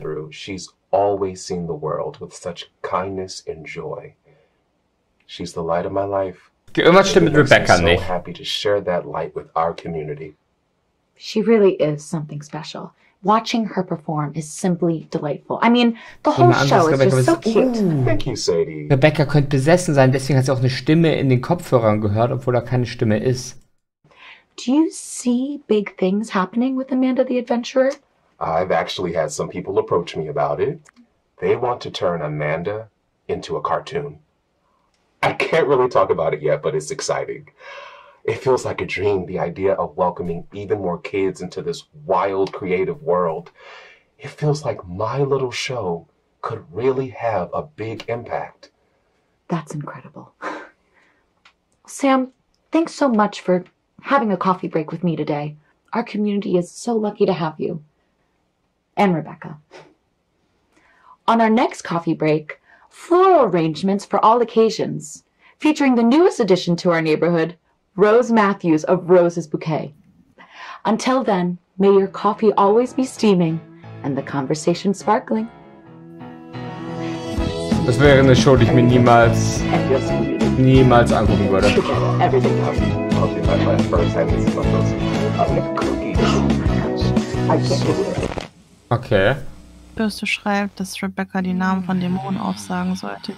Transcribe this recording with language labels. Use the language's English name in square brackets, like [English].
[English] through, she's always seen the world with such kindness and joy. She's the light of my life. [German] Irgendwas stimmt mit Rebecca nicht. [English] So happy to share that light with our community. She really is something special. Watching her perform is simply delightful. I mean, the whole show is just so cute. Thank you, Sadie. [German] Rebecca könnte besessen sein, deswegen hat sie auch eine Stimme in den Kopfhörern gehört, obwohl da keine Stimme ist. [English] Do you see big things happening with Amanda the Adventurer? I've actually had some people approach me about it. They want to turn Amanda into a cartoon. I can't really talk about it yet, but it's exciting. It feels like a dream, the idea of welcoming even more kids into this wild creative world. It feels like my little show could really have a big impact. That's incredible. Sam, thanks so much for having a coffee break with me today. Our community is so lucky to have you. And Rebecca. On our next coffee break, floral arrangements for all occasions, featuring the newest addition to our neighborhood, Rose Matthews of Rose's Bouquet. Until then, may your coffee always be steaming and the conversation sparkling. [German] Das wäre eine Show, die ich mir niemals, niemals angucken würde. Okay. Bürste schreibt, dass Rebecca die Namen von Dämonen aufsagen sollte.